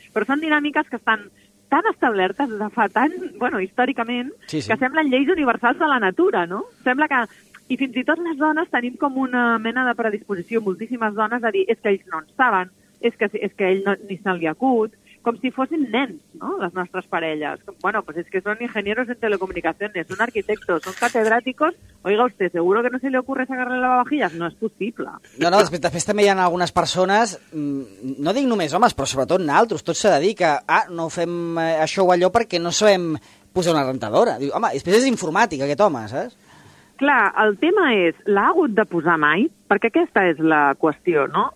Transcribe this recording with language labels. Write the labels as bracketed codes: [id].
[ca] Però són dinàmiques que estan tan establertes de fa tant, bueno, històricament, sí, sí, que semblen lleis universals de la natura, no? Sembla que... I fins i tot les dones tenim com una mena de predisposició, moltíssimes dones, a dir, és que ells no en saben, és que ell no, ni se li acut, com si fossin nens, no?, les nostres parelles. [es] Com, bueno, pues es que son ingenieros en telecomunicaciones, son arquitectos, son catedráticos... Oiga usted, ¿seguro que no se le ocurre sacarle la lavavajillas? [ca] No és possible. No, no, després també hi ha algunes persones, no dic només homes, però sobretot naltros, tots se dedica, ah, no fem això o allò perquè no sabem posar una rentadora. Diu, home, després és informàtic aquest home, saps? Clar, el tema és, l'ha hagut de posar mai? Perquè aquesta és la qüestió, no?